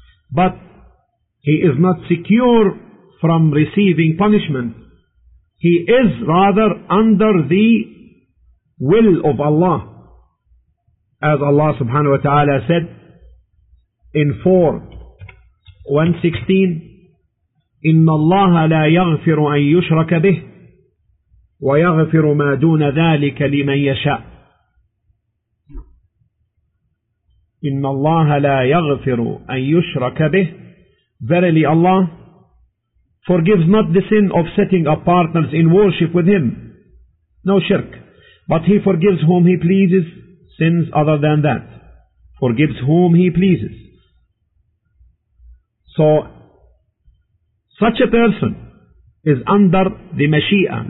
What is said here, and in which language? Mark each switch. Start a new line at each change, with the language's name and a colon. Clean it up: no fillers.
English: But he is not secure from receiving punishment. He is rather under the will of Allah. As Allah subhanahu wa ta'ala said in 4:116,
Arabic: إن الله لا يغفر أن يشرك به ويغفر ما دون ذلك لمن يشاء. إن الله لا يغفر أن يشرك به.
English: Verily Allah forgives not the sin of setting up partners in worship with Him. No shirk. But He forgives whom He pleases, sins other than that. Forgives whom He pleases. So, such a person is under the Mashi'ah.